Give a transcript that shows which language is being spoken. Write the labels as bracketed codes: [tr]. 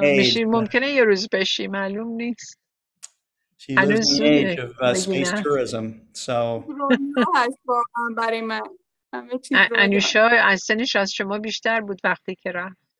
[fa] میشه ممکنه یه روز بشه معلوم نیست. [en] She lives in the age of space tourism, so. [fa] رویا هست واقعا برای من. همه چیز رو انوشا یاد. از سنش از شما بیشتر بود وقتی که رفت.